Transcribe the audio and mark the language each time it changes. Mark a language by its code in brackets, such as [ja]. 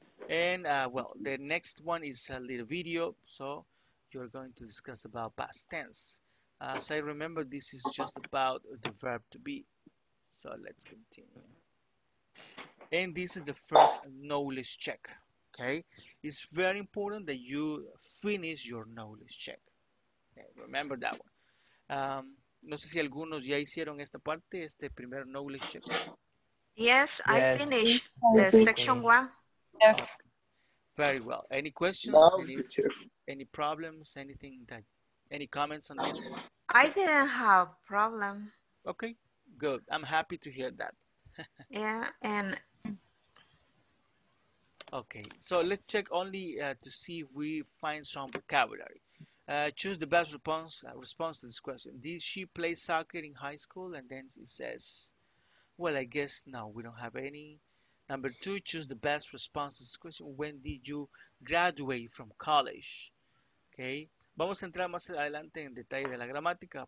[en] And well, the next one is a little video. So you're going to discuss about past tense. As I remember, this is just about the verb to be. So let's continue. And this is the first knowledge check. Okay, it's very important that you finish your knowledge check. Okay, remember that one. [es] No sé si algunos ya hicieron esta parte, este primer knowledge check. [en] Yes, yes. I finished the section one. Yes. Okay. Very well. Any questions? No, any problems? Anything that? Any comments on this? I didn't have problem. Okay, good. I'm happy to hear that. Yeah, and. Okay, so let's check only to see if we find some vocabulary. Choose the best response to this question. Did she play soccer in high school? And then it says, well, I guess no, we don't have any. Number two, choose the best response to this question. When did you graduate from college? [es] Okay, vamos a entrar más adelante en detalle de la gramática.